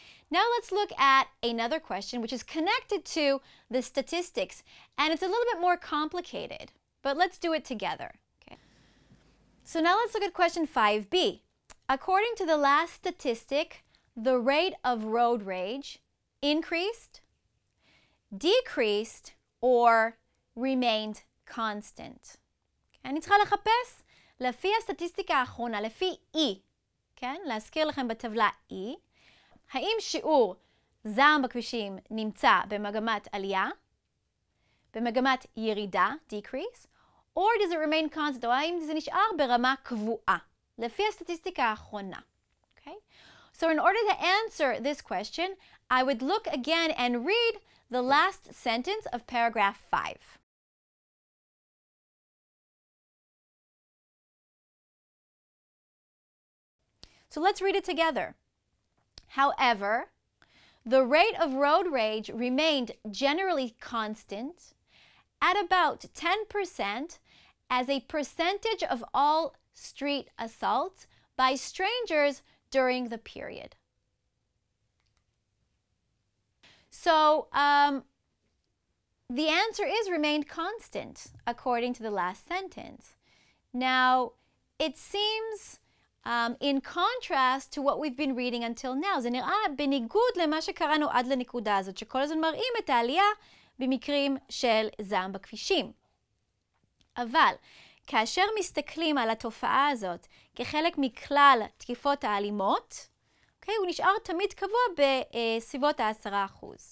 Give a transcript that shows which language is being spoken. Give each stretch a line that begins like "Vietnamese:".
English: Now let's look at another question which is connected to the statistics and it's a little bit more complicated, but let's do it together. Okay. So now let's look at question 5B. According to the last statistic, the rate of road rage increased, decreased, or remained constant.
Hebrew: אני צריכה לחפש לפי הסטטיסטיקה האחרונה, לפי E, כן? להזכיר לכם בטבלה E, האם שיעור זעם בכבישים נמצא במגמת עלייה, במגמת ירידה,
English: decrease, or does it remain constant,
Hebrew: או האם זה נשאר ברמה קבועה, לפי הסטטיסטיקה האחרונה.
English: Okay? So in order to answer this question, I would look again and read the last sentence of paragraph 5. So let's read it together. However, the rate of road rage remained generally constant at about 10% as a percentage of all street assaults by strangers during the period. So the answer is remained constant according to the last sentence. Now, it seems in contrast to what we've been reading until now,
Hebrew: זה נראה בניגוד למה שקראנו עד לנקודה הזאת, שכל הזמן מראים את העלייה במקרים של זעם בכבישים. אבל כאשר מסתכלים על התופעה הזאת כחלק מכלל תקיפות האלימות, okay, הוא נשאר תמיד קבוע בסביבות ה-10%.